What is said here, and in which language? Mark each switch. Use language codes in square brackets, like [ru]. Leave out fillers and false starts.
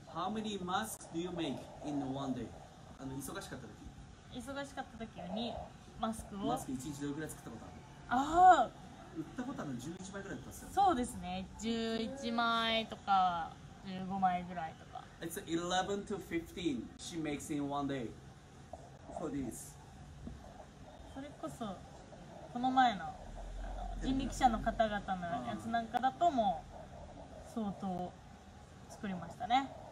[en] How many masks do you make in one day? [ja] 忙しかった時。忙しかった時にマスクを。マスク1日どれくらい作ったことある？ああ。売ったことある11枚くらいだったんですよ。そうですね。11枚とか15枚ぐらいとか。 [en] It's 11 to 15 she makes in one day for this. [ja] それこそこの前の人力車の方々のやつなんかだとも相当作りましたね。